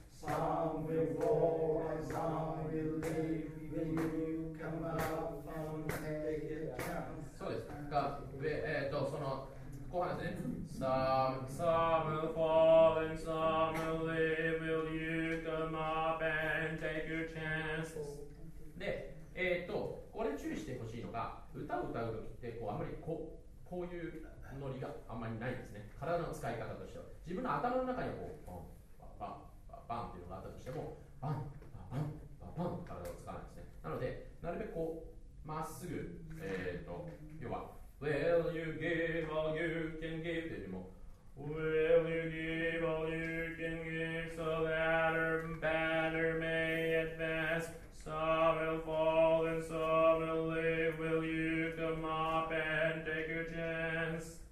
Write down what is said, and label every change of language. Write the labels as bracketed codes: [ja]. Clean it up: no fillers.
[en] Some will fall and some will live. Will you come up and take a chance? [ja] そうです。が、その後半ですね。 [en] Some will fall and some will live. Will you come up and take your chance? [ja] で、これ注意してほしいのが、歌を歌うときってこうあまりこういうノリがあんまりないんですね。体の使い方としては自分の頭の中にこうバンバンバンバンバンっていうのがあったとしてもバンバンバンバンバンと体を使わないんですね。なのでなるべくこうまっすぐ要は [en] Will you give all you can give [ja] というよりも [en] Will you give all you can give so that our banner may advance? Some will fall and some will live. Will you come up and take your chance?